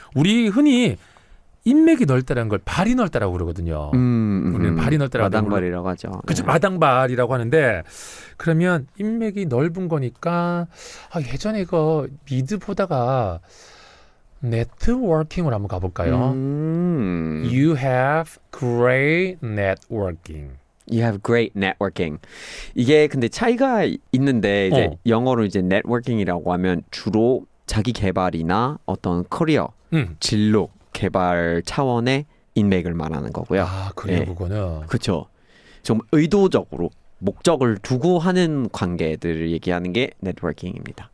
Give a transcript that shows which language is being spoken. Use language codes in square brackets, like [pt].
[ko] 우리 흔히 인맥이 넓다라는 걸 발이 넓다라고 그러거든요. 우리는 발이 넓다라고 마당발이라고 하죠. 그렇죠. 네. 마당발이라고 하는데 그러면 인맥이 넓은 거니까 예전에 이거 미드 보다가 네트워킹을 한번 가볼까요? [en] You have great networking. You have great networking. [ko] 이게 근데 차이가 있는데 이제 영어로 이제 네트워킹이라고 하면 주로 자기 개발이나 어떤 커리어, 진로 개발 차원의 인맥을 말하는 거고요. 아, 그래요. 네. 그거는 그렇죠. 좀 의도적으로 목적을 두고 하는 관계들을 얘기하는 게 네트워킹입니다.